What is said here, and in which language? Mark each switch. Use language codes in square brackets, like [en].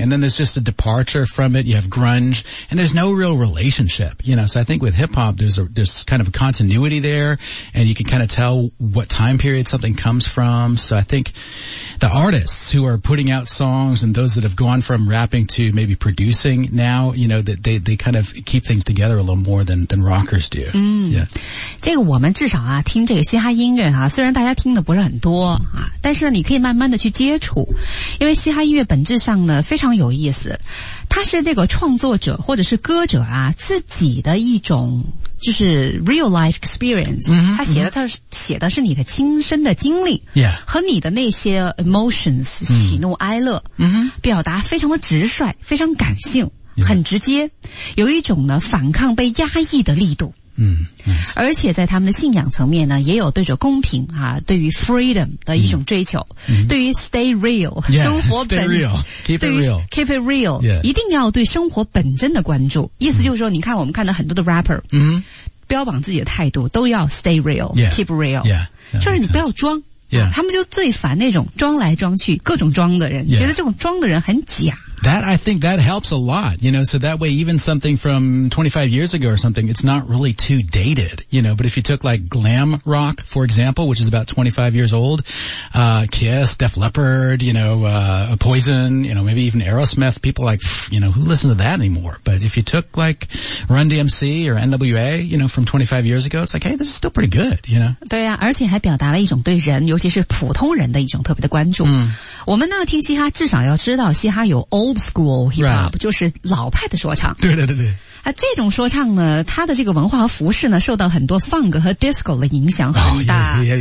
[en] And then there's just a departure from it. You have grunge and there's no real relationship, you know. So I think with hip hop, there's kind of a continuity there and you can kind of tell what time period something comes from. So I think the artists who are putting out songs and those that have gone from rapping to maybe producing now, you know, that they kind of keep things together a little more than rockers do. Yeah. [zh] 这个我们至少啊听这个嘻哈音乐啊，虽然大家听的不是很多啊，但是呢你可以慢慢的去接触，因为嘻哈音乐本质上呢非常有意思，它是这个创作者或者是歌者啊自己的一种就是 [en] real life experience， [zh] 他写的写的是你的亲身的经历和你的那些 emotions 喜怒哀乐，表达非常的直率，非常感性，很直接，有一种呢反抗被压抑的力度。而且在他们的信仰层面呢也有对着公平啊对于 freedom 的一种追求。对于 [en] stay real, [zh] 生活本真。 [en] keep it real. keep it real.、 [zh] 一定要对生活本真的关注。意思就是说你看我们看到很多的 rapper, 标榜自己的态度都要 [en] stay real, keep real. Yeah, yeah, [zh] 就是你不要装。他们就最烦那种装来装去各种装的人、觉得这种装的人很假。 [en] That, I think that helps a lot, you know, so that way even something from 25 years ago or something, it's not really too dated, you know, but if you took like glam rock, for example, which is about 25 years old, Kiss, Def Leppard, you know, Poison, you know, maybe even Aerosmith, people like, you know, who listen to that anymore? But if you took like Run DMC or NWA, you know, from 25 years ago, it's like, hey, this is still pretty good, you know? [zh] 对啊，而且还表达了一种对人，尤其是普通人的一种特别的关注。我们呢听嘻哈至少要知道嘻哈有old school hip hop、就是老派的说唱。对对对对。啊，这种说唱呢，它的这个文化和服饰呢，受到很多 funk 和 disco 的影响很大。